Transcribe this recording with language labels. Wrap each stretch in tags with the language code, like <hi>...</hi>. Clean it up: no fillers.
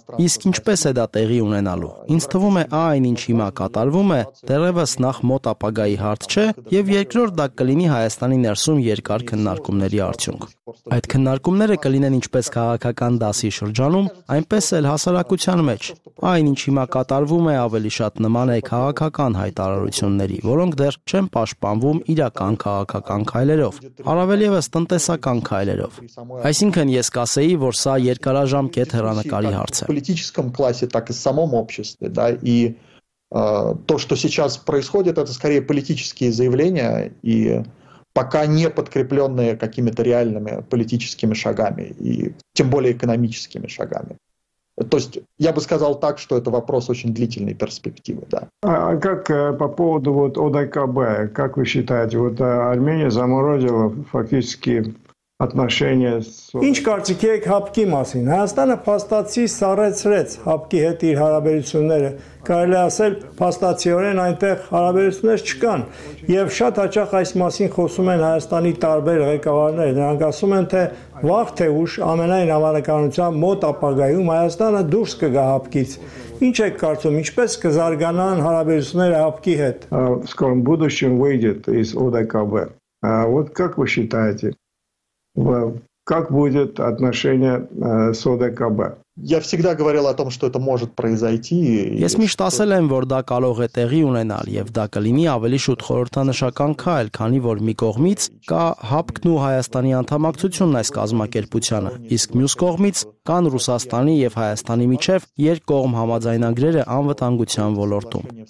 <hy>Իսկ ինչպես է դա տեղի ունենալու։ Ինձ թվում է, այն, ինչ հիմա կատարվում է, դեռևս նախ մոտ ապագայի հարց չէ, և երկրորդ դա կլինի Հայաստանի ներսում երկար քննարկումների արդյունք։ Այդ քննարկումները կլինեն ինչպես քաղաքական դասի շրջանում, այնպես էլ հասարակության մեջ։ Այն, ինչ հիմա կատարվում է, ավելի շատ նման է քաղաքական հայտարարությունների, որոնք դեռ չեն պաշտպանվում իրական քաղաքական քայլերով, առավելևս տնտեսական քայլերով։ Այսինքն, ես կասեի, որ սա երկարաժամկետ հեռանկարի հարց է։</hy> <ru>То, что сейчас происходит, это скорее политические заявления и пока не подкреплённые какими-то реальными политическими шагами и тем более экономическими шагами. То есть я бы сказал так, что это вопрос очень длительной перспективы, да. А как по поводу вот ОДКБ, как вы считаете, вот Армения заморозила фактически отношения с</ru> <hy>Ինչ կարծիք եք հապկի մասին? Հայաստանը փաստացի սառեցրեց հապկի հետ իր հարաբերությունները։ Կարելի ասել, փաստացիորեն այնտեղ հարաբերություններ չկան, եւ շատ հաճախ այս մասին խոսում են Հայաստանի տարբեր ղեկավարները, նրանք ասում են, թե վաղ թե ուշ ամենայն համանկարությամբ մոտ ապագայում Հայաստանը դուրս կգա հապկից։ Ինչ եք կարծում, ինչպես կզարգանան հարաբերությունները հապկի հետ?</hy> <ru>Скоро будущем выйдет из ОДКБ. А вот как вы считаете, как будет отношение с ОДКБ? Я всегда говорил о том, что это может произойти.</ru> <hy>Ես միշտ ասել եմ, որ դա կարող է տեղի ունենալ եւ դա կլինի ավելի շուտ խորհրդանշական քայլ, քանի որ մի կողմից կա հապկն ու Հայաստանի անդամակցությունն այս կազմակերպությանը, իսկ մյուս կողմից կան Ռուսաստանի եւ Հայաստանի միջև երկկողմ համաձայնագրերը անվտանգության ոլորտում։</hy>